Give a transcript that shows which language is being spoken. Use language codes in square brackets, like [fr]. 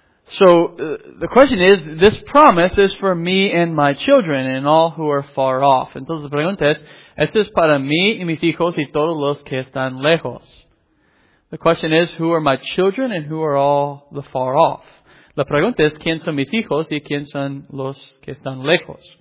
[en] So the question is, this promise is for me and my children and all who are far off. [es] Entonces la pregunta es, esto es para mí y mis hijos y todos los que están lejos. [en] The question is, who are my children and who are all the far off? [es] La pregunta es, ¿quién son mis hijos y quién son los que están lejos?